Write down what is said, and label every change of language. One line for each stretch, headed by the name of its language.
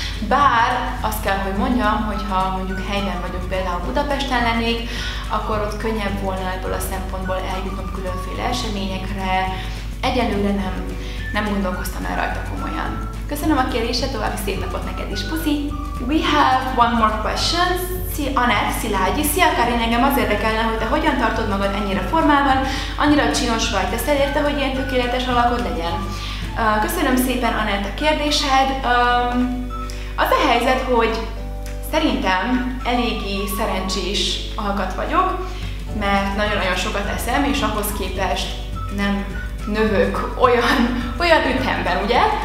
Hungarian: Bár azt kell, hogy mondjam, hogyha mondjuk helyben vagyok, például Budapesten lennék, akkor ott könnyebb volna ebből a szempontból eljutnom különféle eseményekre. Egyelőre nem gondolkoztam el rajta komolyan. Köszönöm a kérdésed, további szép napot neked is, puszi!
English: We have one more question.
Hungarian: Szilágyi. Szia Karin, engem az érdekelne, hogy te hogyan tartod magad ennyire formában, annyira csinos vagy, te szerinted, hogy ilyen tökéletes alakod legyen? Köszönöm szépen, Anett, a kérdésed. Az a helyzet, hogy szerintem eléggé szerencsés alkat vagyok, mert nagyon-nagyon sokat eszem, és ahhoz képest nem növök olyan ütemben, ugye?